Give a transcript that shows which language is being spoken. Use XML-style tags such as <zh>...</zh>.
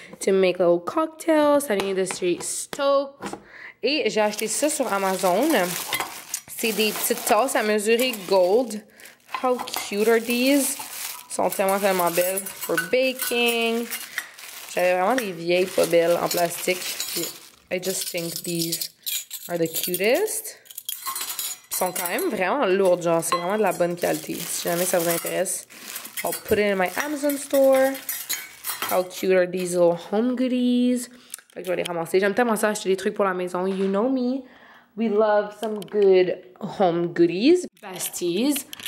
<en>To make little cocktails.</en> <fr>Ça vient de chez Stokes. Et j'ai acheté ça sur Amazon. C'est des petites tasses à mesurer gold.</fr> <en>How cute are these?</en> <fr>Elles sont tellement, tellement belles.</fr> <en>For baking.</en> <fr>J'avais vraiment des vieilles pas belles en plastique. Puis,</fr> <en>I just think these are the cutest.</en> <fr>Ils sont quand même vraiment lourdes, genre, c'est vraiment de la bonne qualité. Si jamais ça vous intéresse,</fr> <en>I'll put it in my Amazon store. How cute are these little home goodies?</en> <fr>Fait que je vais les ramasser. J'aime tellement ça acheter des trucs pour la maison.</fr> <en>You know me. We love some good home goodies. Besties.</en>